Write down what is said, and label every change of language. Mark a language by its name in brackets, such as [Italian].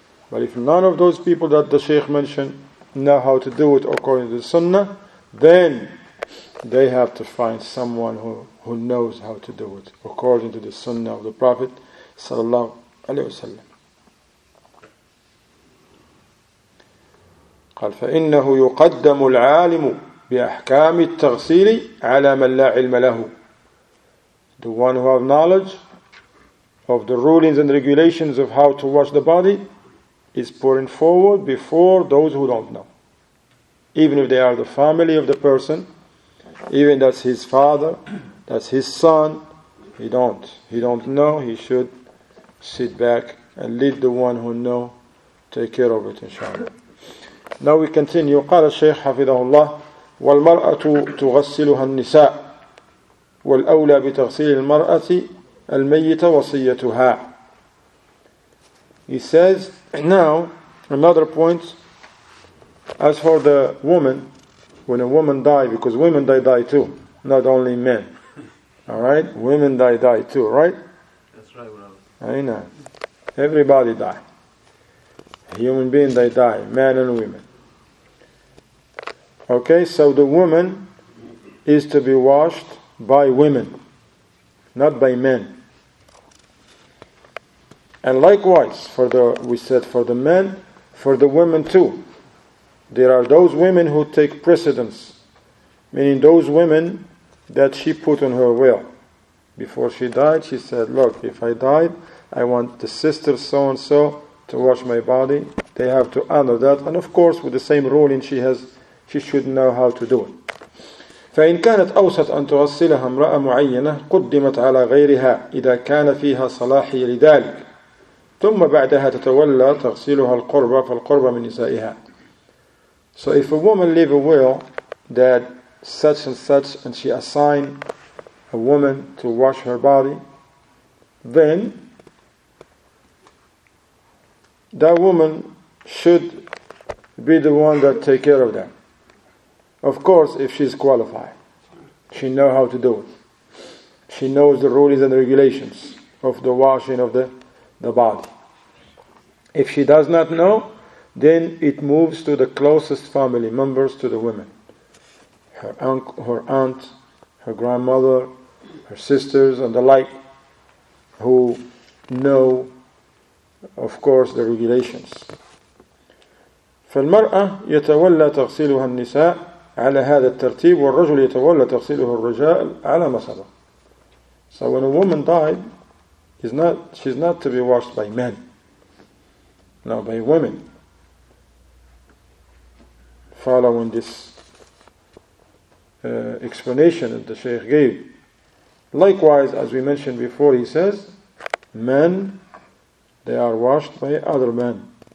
[English] But if none of those people that the Shaykh mentioned know how to do it according to the Sunnah, then they have to find someone who knows how to do it according to the Sunnah of the Prophet sallallahu alaihi wasallam. [Arabic] قال فإنه يقدم العالم بأحكام التغسيل على من لا علم له. [English] The one who have knowledge of the rulings and regulations of how to wash the body is pouring forward before those who don't know. Even if they are the family of the person, even that's his father, that's his son, he don't know, he should sit back and let the one who know take care of it, inshallah. Now we continue. [Arabic] قال الشيخ حفظه الله والمرأة تغسلها النساء والأولى بتغسيل المرأة الميتة وصيتها. [English] He says, now another point, as for the woman, when a woman die, because women die too, not only men. Alright? Women die too, right? That's right, brother. I know. Everybody die. Human being die, men and women. Okay, so the woman is to be washed by women, not by men. And likewise, for the men, for the women too. There are those women who take precedence, meaning those women that she put on her will. Before she died, she said, look, if I died, I want the sister so-and-so to wash my body. They have to honor that. And of course, with the same ruling she has, she should know how to do it. [Arabic] فإن كانت أوسط أن تغسلها امرأة معينة قدمت على غيرها إذا كان فيها صلاحية لذلك ثم بعدها تتولى تغسلها القربة فالقربة من نسائها. [English] So if a woman leave a will that such and such, and she assign a woman to wash her body, then that woman should be the one that take care of them. Of course, if she's qualified, she know how to do it. She knows the rules and the regulations of the washing of the body. If she does not know, then it moves to the closest family members, to the women. Her uncle, her aunt, her grandmother, her sisters and the like, who know, of course, the regulations. [Arabic] فالمرأة يتولى تغسيلها النساء على هذا الترتيب والرجل يتولى تغسيله الرجال على ما سبق. [English] So when a woman died, she's not to be washed by men, no, by women. Following this explanation that the Shaykh gave. Likewise, as we mentioned before, he says, men, they are washed by other men.